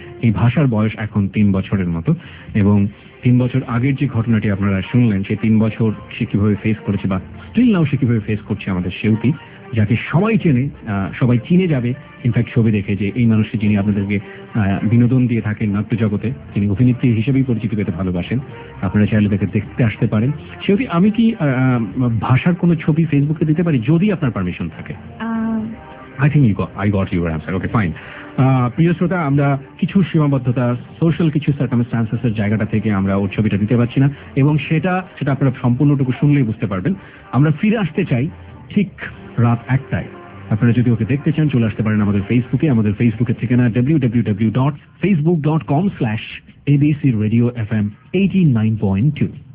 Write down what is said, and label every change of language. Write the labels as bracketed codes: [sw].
[bn] এই ভাষার বয়স এখন 3 বছরের মতো, এবং 3 বছর আগের যে ঘটনাটি আপনারা শুনলেন, সেই 3 বছর সে কীভাবে ফেস করেছে বা স্টিল নাও সে কীভাবে ফেস করছে আমাদের সেউতি, যাকে সবাই চেনে, সবাই চিনে যাবে ইনফ্যাক্ট ছবি দেখে, যে এই মানুষটি যিনি আপনাদেরকে বিনোদন দিয়ে থাকেন নাট্য জগতে, তিনি অভিনেত্রী হিসেবেই পরিচিত পেতে ভালোবাসেন, আপনারা চাইলে তাকে দেখতে আসতে পারেন। সেউতি, আমি কি ভাষার কোনো ছবি ফেসবুকে দিতে পারি যদি আপনার পারমিশন থাকে? [en] I think I got your answer, okay, fine. [bn] প্রিয় শ্রোতা, আমরা কিছু সীমাবদ্ধতা, সোশ্যাল কিছু সার্কামস্টান্সেস এর জায়গাটা থেকে আমরা ওর ছবিটা দিতে পারছি না, এবং সেটা আপনারা সম্পূর্ণটুকু শুনলেই বুঝতে পারবেন। আমরা ফিরে আসতে চাই ঠিক রাত একটায়। আপনারা যদি ওকে দেখতে চান চলে আসতে পারেন আমাদের ফেসবুকে। আমাদের ফেসবুকের ঠিকানা www.facebook.com/abcradiofm89.2।